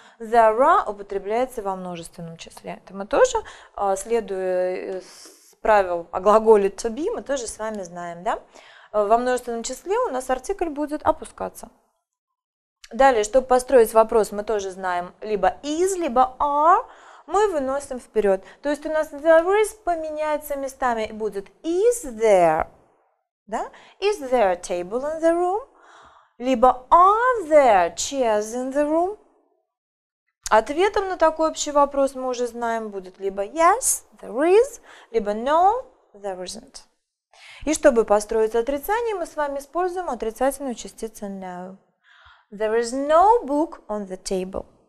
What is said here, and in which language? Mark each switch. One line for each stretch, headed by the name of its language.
English: There are
Russian: употребляется во множественном числе. Это мы тоже, следуя правилу о глаголе to be, мы тоже с вами знаем, да? Во множественном числе у нас артикль будет опускаться. Далее, чтобы построить вопрос, мы тоже знаем либо is, либо are, мы выносим вперед. То есть у нас
English: there is
Russian: поменяется местами и будет
English: is there,
Russian: да?
English: Is there a table in the room? Либо are there chairs in the room?
Russian: Ответом на такой общий вопрос мы уже знаем будет либо
English: yes, there is,
Russian: либо
English: no, there isn't.
Russian: И чтобы построить отрицание, мы с вами используем отрицательную частицу no.
English: There is no book on the table.